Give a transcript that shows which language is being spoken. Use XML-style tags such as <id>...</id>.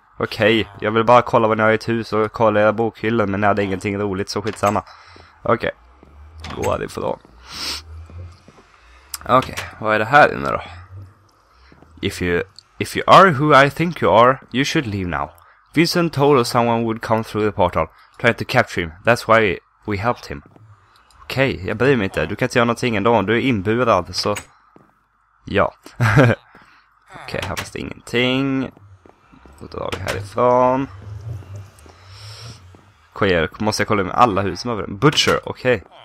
<sv>Okej, jag vill bara kolla vad ni har i ett hus och kolla era bokhyllor, men när det är ingenting roligt så skitsamma. Okej. Gå härifrån. Okej, vad är det här inne då?</sv> <en>If you are who I think you are, you should leave now. Vincent told us someone would come through the portal, trying to capture him. That's why we helped him.</en> <sv>Okej, jag bryr mig inte. Du kan inte göra någonting ändå. Du är inburad, så... Ja. Okej, här finns det ingenting. Då drar vi härifrån. Måste jag kolla med alla hus som har varit? Butcher, okej.</sv>